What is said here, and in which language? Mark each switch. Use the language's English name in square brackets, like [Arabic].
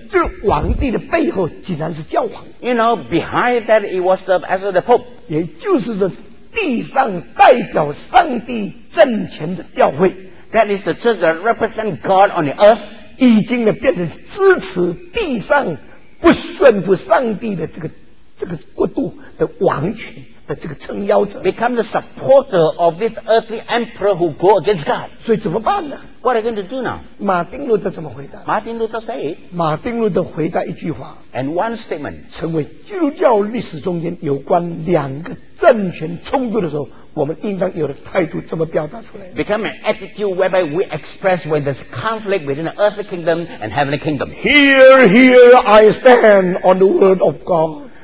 [Chinese] 这皇帝的背后竟然是教皇。 [English] You know, behind that it was the, as the Pope. [Chinese] 也就是这地上代表上帝政权的教会。 [English] That is the church that represents God on the earth. [Chinese] 已经呢变成支持地上不顺服上帝的这个国度的王权。这个撑腰者 [English] become the supporter of this earthly emperor who go against God. [Chinese] 所以怎么办呢？ [English] What are you going to do now? [Chinese] 马丁路德怎么回答？ [English] Martin Luther said. [Chinese] 马丁路德回答一句话。 [English] And one statement. [Chinese] 成为基督教历史中间有关两个政权冲突的时候，我们应当有的态度这么表达出来。 [English] Become an attitude whereby we express when there's conflict between the earthly kingdom and heavenly kingdom. Here, here I stand on the word of God.